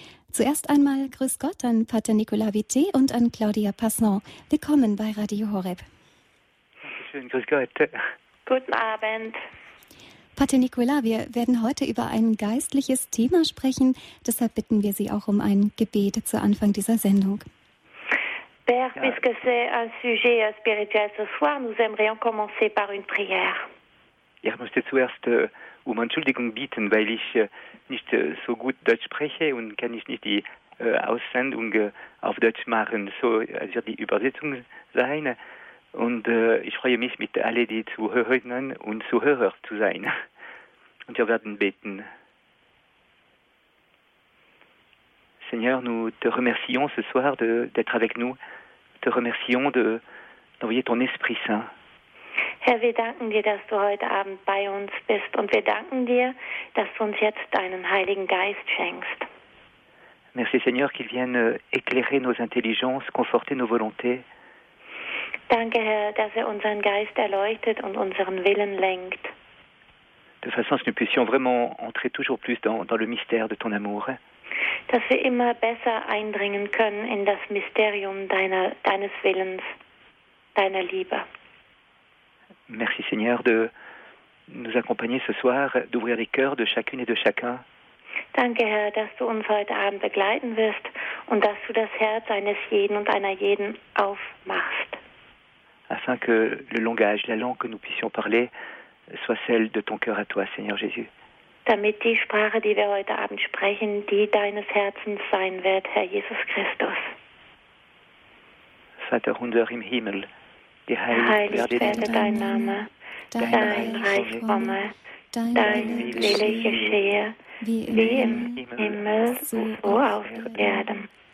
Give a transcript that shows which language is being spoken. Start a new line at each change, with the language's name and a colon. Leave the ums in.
German: Zuerst einmal Grüß Gott an Pater Nicolas Vité und an Claudia Passant. Willkommen bei Radio Horeb. Schön, grüß Gott. Guten Abend. Pater Nicola, wir werden heute über ein geistliches Thema sprechen. Deshalb bitten wir Sie auch um ein Gebet zu Anfang dieser Sendung. Père, ja.
French: puisque c'est un sujet spirituel ce soir, nous aimerions commencer par une prière.
German: Ich möchte zuerst äh, um Entschuldigung bieten, weil ich äh, nicht äh, so gut Deutsch spreche und kann ich nicht die Aussendung auf Deutsch machen. So also die Übersetzung sein. Und äh, ich freue mich, mit allen die Zuhörerinnen und Zuhörer zu sein. Und wir werden beten.
French: Seigneur, nous te remercions ce soir d'être avec nous. Te remercions d'envoyer de, ton Esprit Saint.
German: Herr, wir danken dir, dass du heute Abend bei uns bist und wir danken dir, dass du uns jetzt deinen Heiligen Geist schenkst.
French: Merci Seigneur qu'il vienne éclairer nos intelligences, conforter nos volontés.
German: Danke, Herr, dass er unseren Geist erleuchtet und unseren Willen lenkt.
French: De façon à ce que nous puissions vraiment entrer toujours plus dans, dans le mystère de ton amour.
German: Dass wir immer besser eindringen können in das Mysterium deiner, deines Willens, deiner Liebe.
French: Merci Seigneur de nous accompagner ce soir, d'ouvrir les cœurs de chacune et de chacun.
German: Danke, Herr, dass du uns heute Abend begleiten wirst und dass du das Herz eines jeden und einer jeden aufmachst.
French: afin que le langage, la langue que nous puissions parler soit celle de ton cœur à toi, Seigneur Jésus.
German: Damit die Sprache, die wir heute Abend sprechen, die deines Herzens sein wird, Herr Jesus Christus. Vater unser im Himmel, geheiligt werde dein Name, dein Reich komme, dein Wille geschehe, wie im Himmel, so auf Erden.